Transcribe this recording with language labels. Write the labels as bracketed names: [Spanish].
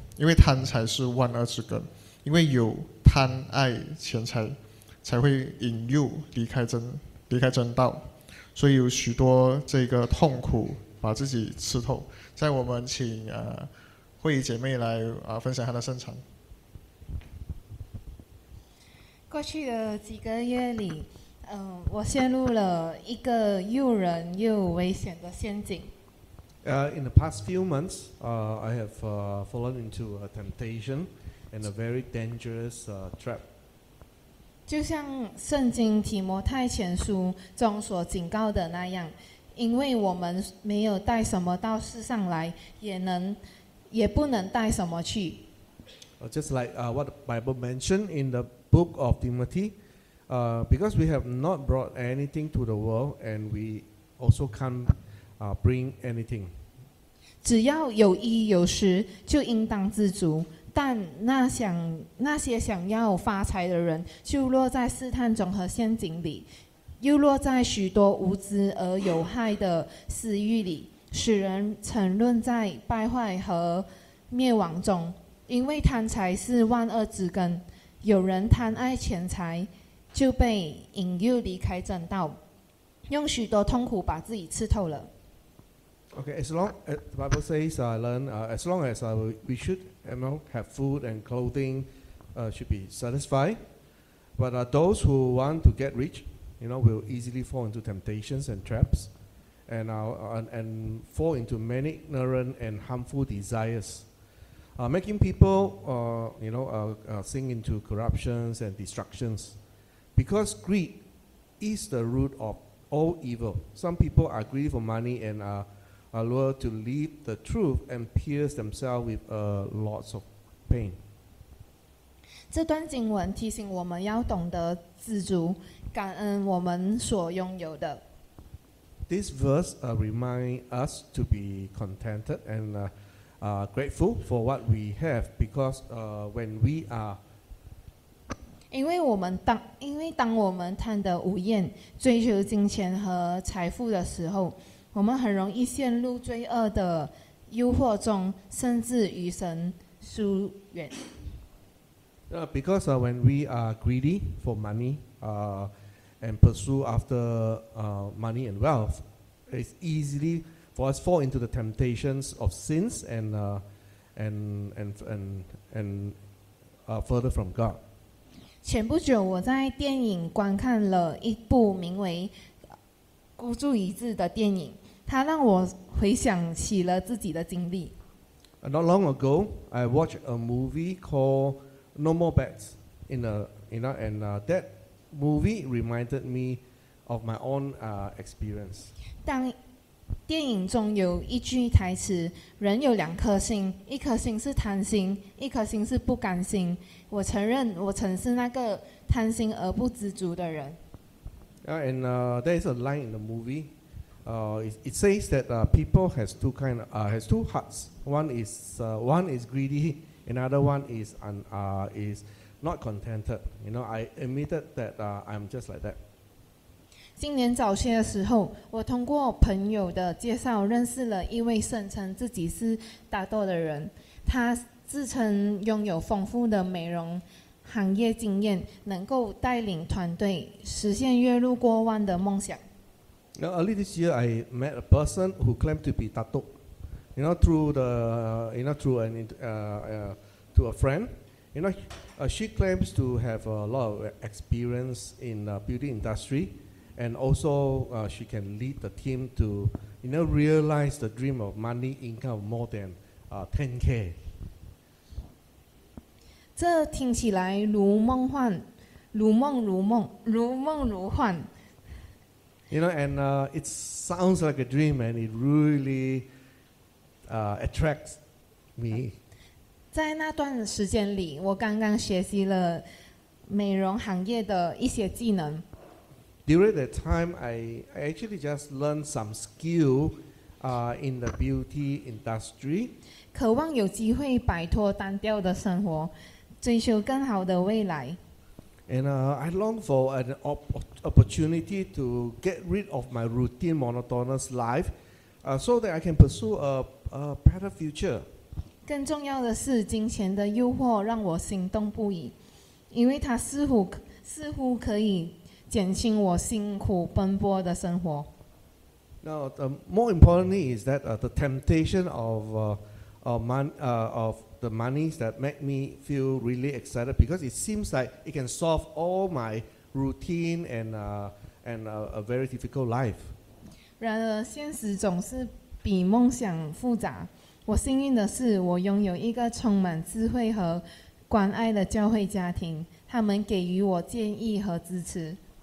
[Chinese] 因为贪财是万恶之根，因为有贪爱钱财，才会引诱离开真道，所以有许多这个痛苦把自己吃透。在我们请慧仪姐妹来分享她的生长。过去的几个月里，我陷入了一个诱人又危险的陷阱。 [English] In the past few months, I have fallen into a temptation and a very dangerous trap. [Chinese] 就像圣经提摩太前书中所警告的那样，因为我们没有带什么到世上来，也不能带什么去。 [English] Just like what the Bible mentioned in the book of Timothy, because we have not brought anything to the world, and we also can't bring anything. [Chinese] 只要有衣有食，就应当自足。但那些想要发财的人，就落在试探中和陷阱里，又落在许多无知而有害的私欲里，使人沉沦在败坏和灭亡中。因为贪财是万恶之根，有人贪爱钱财，就被引诱离开正道，用许多痛苦把自己刺透了。 [English] Okay, as long as the Bible says, as long as we should have food and clothing, should be satisfied. But those who want to get rich, will easily fall into temptations and traps, and fall into many ignorant and harmful desires. Making people, sink into corruptions and destructions. Because greed is the root of all evil. Some people are greedy for money and are lured to leave the truth and pierce themselves with lots of pain. [Chinese] 这段经文提醒我们要懂得知足，感恩我们所拥有的。 [English] This verse reminds us to be contented and grateful for what we have, because when we are, [Chinese] 因为当我们贪得无厌，追求金钱和财富的时候，我们很容易陷入罪恶的诱惑中，甚至与神疏远。 [English] Because when we are greedy for money, and pursue after money and wealth, it's easily for us fall into the temptations of sins and further from God. [Chinese] 前不久，我在电影观看了一部名为《孤注一掷》的电影，它让我回想起了自己的经历。 [English] Not long ago, I watched a movie called No More Bets. That movie reminded me of my own experience. [Chinese] 当电影中有一句台词，人有两颗心，一颗心是贪心，一颗心是不甘心。我承认我曾是那个贪心而不知足的人。 [English] There is a line in the movie. It says that people has two hearts. One is greedy, another one is not contented. I admitted that I'm just like that. [Chinese] 今年早些的时候，我通过朋友的介绍认识了一位声称自己是大豆的人。他自称拥有丰富的美容行业经验，能够带领团队实现月入过万的梦想。 [English] Now, early this year, I met a person who claimed to be Tato. Through a friend. She claims to have a lot of experience in the beauty industry, and also she can lead the team to realize the dream of money income more than 10K. [Chinese] 这听起来如梦幻，如梦如梦，如梦如幻。 [English] It sounds like a dream, and it really attracts me. [Chinese] 在那段时间里，我刚刚学习了美容行业的一些技能。 [English] During that time, I actually just learned some skill in the beauty industry. [Chinese] 渴望有机会摆脱单调的生活，追求更好的未来。 [English] And I long for an opportunity to get rid of my routine monotonous life, so that I can pursue a better future. [Chinese] 更重要的是，金钱的诱惑让我心动不已，因为它似乎可以减轻我辛苦奔波的生活。 [English] Now, the more importantly is that the temptation of the money that make me feel really excited because it seems like it can solve all my routine and a very difficult life. [Chinese] 然而，现实总是比梦想复杂。我幸运的是，我拥有一个充满智慧和关爱的教会家庭，他们给予我建议和支持。